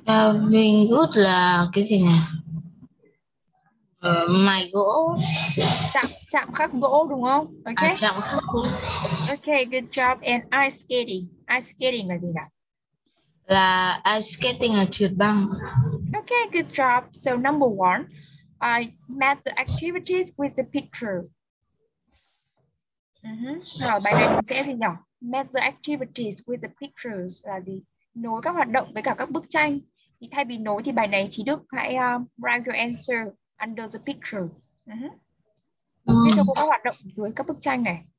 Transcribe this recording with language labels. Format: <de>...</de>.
<vi>Carving wood là cái gì nhỉ? Mài gỗ. Chạm khắc gỗ đúng không? Okay. Chạm khắc gỗ.</vi> <en>Okay, good job. And ice skating. Ice skating</en> <vi>là gì nào? Là ice skating là trượt băng.</vi> <en>Okay, good job. So number one, I met the activities with the picture.</en> <vi>Rồi bài này mình sẽ gì nhỉ?</vi> <en>Met the activities with the pictures</en> <vi>là gì? Nối các hoạt động với cả các bức tranh. Thì thay vì nối thì bài này chỉ Đức hãy</vi> <en>write your answer under the picture.</en> <vi>Nên cho cô các hoạt động dưới các bức tranh này.</vi>